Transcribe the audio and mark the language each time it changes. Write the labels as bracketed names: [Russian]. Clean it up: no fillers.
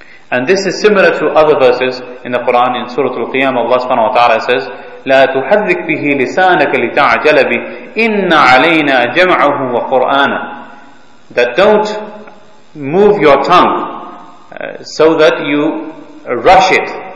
[English] And this is similar to other verses in the Quran. In Surah Al-Qiyamah, Allah subhanahu wa ta'ala says, [Arabic] لَا تُحَذِّكْ بِهِ لِسَانَكَ لِتَعْجَلَ بِهِ إِنَّ عَلَيْنَا جَمْعَهُ وَقُرْآنَ. [English] That don't move your tongue so that you rush it.